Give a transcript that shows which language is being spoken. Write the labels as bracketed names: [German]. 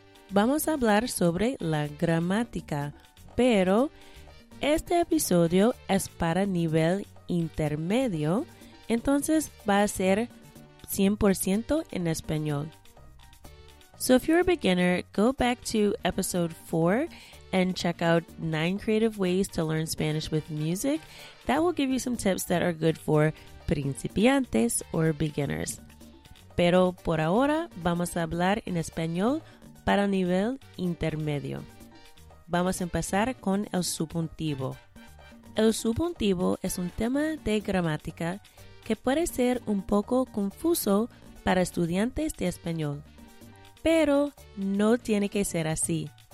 [Spanish] Vamos a hablar sobre la gramática, pero este episodio es para nivel intermedio, entonces va a ser 100% en español. [English] So if you're a beginner, go back to episode 4 and check out 9 creative ways to learn Spanish with music. That will give you some tips that are good for principiantes or beginners. [Spanish] Pero por ahora vamos a hablar en español para nivel intermedio. Vamos a empezar con el subjuntivo. El subjuntivo es un tema de gramática que puede ser un poco confuso para estudiantes de español, pero no tiene que ser así.